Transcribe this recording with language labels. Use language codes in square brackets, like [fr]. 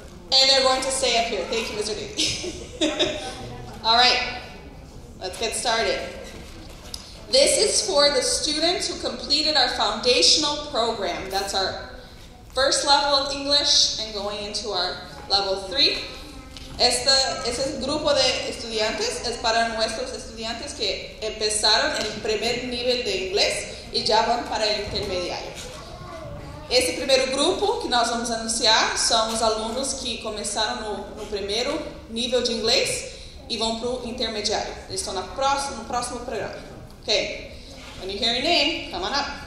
[en] And they're going to stay up here. Thank you, Mr. Davies. All right, let's get started. This is for the students who completed our foundational program. That's our first level of English and going into our level 3. [es] Este grupo de estudiantes es para nuestros estudiantes que empezaron en el primer nivel de inglés y ya van para el intermediario. Este primer grupo que nos vamos a anunciar son los alumnos que comenzaron no primero nivel de inglés y van para el intermediario. Están en el próximo programa. [en] Okay, when you hear your name, come on up.